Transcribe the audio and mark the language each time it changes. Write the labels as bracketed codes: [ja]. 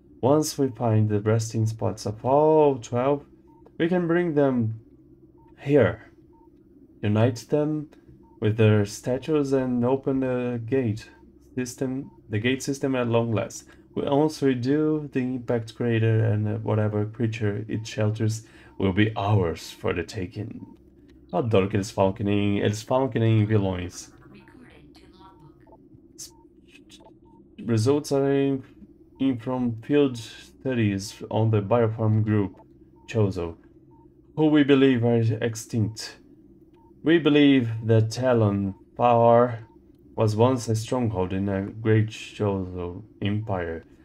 [en] Once we find the resting spots of all 12, we can bring them here, unite them with their statues, and open the gate system at long last. Once we do, the impact crater and whatever creature it shelters will be ours for the taking. [pt] Eu adoro que eles falam que nem vilões. [en] Results are in from field studies on the bioform group Chozo, who we believe are extinct. We believe that Talon Power was once a stronghold in a great Chozo Empire.